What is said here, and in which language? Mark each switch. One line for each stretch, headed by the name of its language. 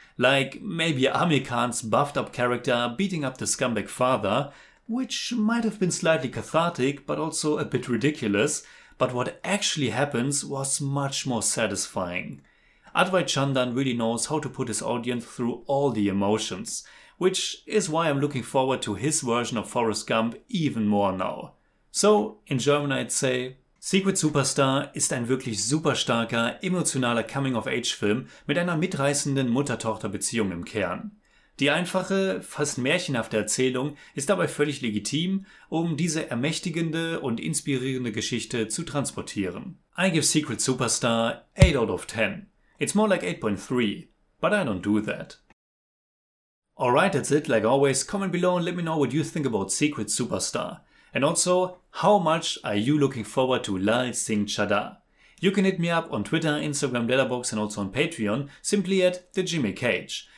English: Like maybe Aamir Khan's buffed up character beating up the scumbag father, which might have been slightly cathartic but also a bit ridiculous, but what actually happens was much more satisfying. Advait Chandan really knows how to put his audience through all the emotions, which is why I'm looking forward to his version of Forrest Gump even more now. So, in German I'd say,
German: Secret Superstar ist ein wirklich superstarker, emotionaler Coming-of-Age-Film mit einer mitreißenden Mutter-Tochter-Beziehung im Kern. Die einfache, fast märchenhafte Erzählung ist dabei völlig legitim, um diese ermächtigende und inspirierende Geschichte zu transportieren.
English: I give Secret Superstar 8 out of 10. It's more like 8.3, but I don't do that. Alright, that's it. Like always, comment below and let me know what you think about Secret Superstar. And also, how much are you looking forward to Lal Singh Chadha? You can hit me up on Twitter, Instagram, Letterboxd and also on Patreon, simply at The Jimmy Cage.